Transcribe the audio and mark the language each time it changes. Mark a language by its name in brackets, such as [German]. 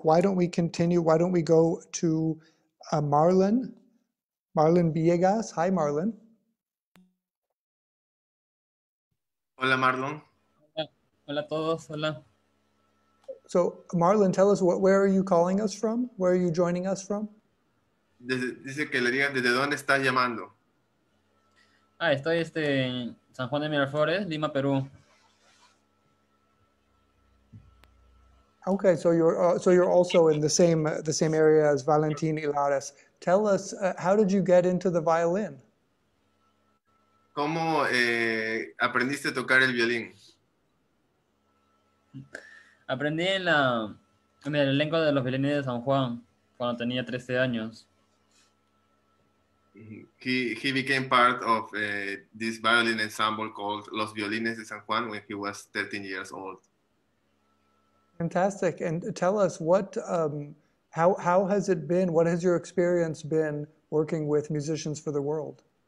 [English] Why don't we continue? Why don't we go to Marlon? Marlon Villegas. Hi, Marlon. [Spanish] Hola, Marlon. Hola a todos, hola. [English] So, Marlon, tell us, where are you calling us from? Where are you joining us from? [Spanish] Dice que le digan, ¿desde dónde estás llamando? Ah, estoy en San Juan de Miraflores, Lima, Perú. [English] Okay, so you're also in the same area as Valentín y Laras. Tell us, how did you get into the violin? [Spanish] ¿Cómo aprendiste a tocar el violín? Aprendí en la lengua de los violines de San Juan cuando tenía 13 años. [English] He became part of this violin ensemble called Los Violines de San Juan when he was 13 years old. Fantastic. And tell us, how has it been? What has your experience been working with Musicians for the World?